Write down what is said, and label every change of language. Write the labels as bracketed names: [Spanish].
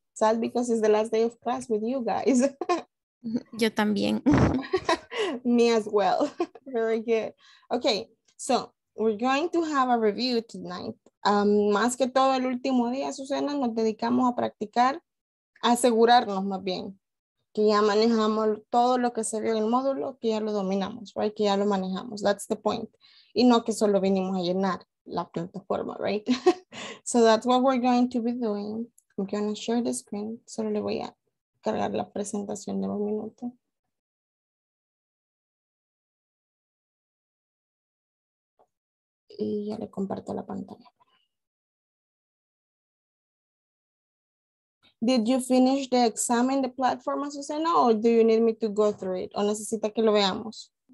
[English] Sad because it's the last day of class with you guys. [Spanish] Yo también. [English] Me as well. Very good. Okay, so we're going to have a review tonight. [Spanish] Más que todo el último día, Azucena, nos dedicamos a practicar. Asegurarnos más bien que ya manejamos todo lo que se vio en el módulo, que ya lo dominamos, right? Que ya lo manejamos. [English] That's the point. [Spanish] Y no que solo vinimos a llenar la plataforma, right? [English] So that's what we're going to be doing. I'm going to share the screen. [Spanish] Solo le voy a cargar la presentación de un minuto. Y ya le comparto la pantalla. [English] Did you finish the exam in the platform, Azucena, or do you need me to go through it? [Spanish] ¿O necesita que lo veamos?